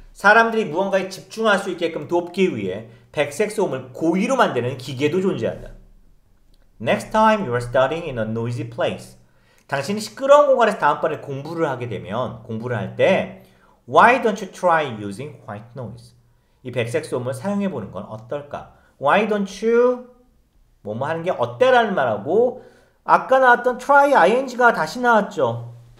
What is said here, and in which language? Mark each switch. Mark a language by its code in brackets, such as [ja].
[ko] 사람들이 무언가에 집중할 수 있게끔 돕기 위해 백색 소음을 고의로 만드는 기계도 존재한다. [en] Next time you are studying in a noisy place. [ko] 당신이 시끄러운 공간에서 다음번에 공부를 하게 되면, 공부를 할 때 [en] Why don't you try using white noise? [ko] 이 백색 소음을 사용해보는 건 어떨까? [en] Why don't you [ko] 뭐뭐 하는 게 어때라는 말하고 아까 나왔던 [en] try ing [ko] 가 다시 나왔죠.